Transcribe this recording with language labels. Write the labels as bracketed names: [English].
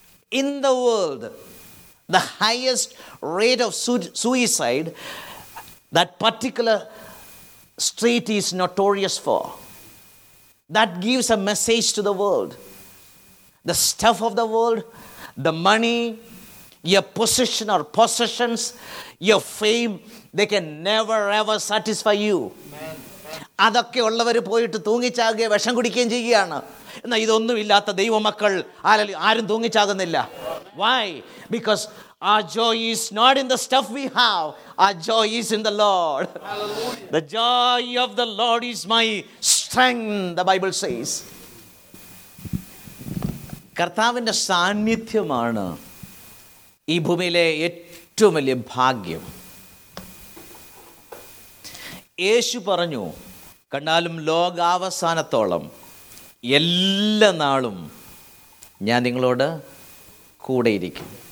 [English] In the world, the highest rate of suicide, that particular street is notorious for. That gives a message to the world. The stuff of the world, the money, your position or possessions, your fame, they can never ever satisfy you. [Malayalam] അതൊക്കെ ഉള്ളവർ പോയിട്ട് തൂങ്ങിച്ചാകുക വിഷം കുടിക്കുകയും ചെയ്യുകയാണ്. എന്നാൽ ഇതൊന്നും ഇല്ലാത്ത ദൈവമക്കൾ ആരും തൂങ്ങിച്ചാകുന്നില്ല. [English] Why? Because our joy is not in the stuff we have. Our joy is in the Lord. Hallelujah. The joy of the Lord is my strength, the Bible says. [Malayalam] കർത്താവിൻ്റെ സാന്നിധ്യമാണ് ഈ ഭൂമിയിലെ ഏറ്റവും വലിയ ഭാഗ്യം. യേശു പറഞ്ഞു, കണ്ടാലും ലോകാവസാനത്തോളം എല്ലാ നാളും ഞാൻ നിങ്ങളോട് കൂടെയിരിക്കും.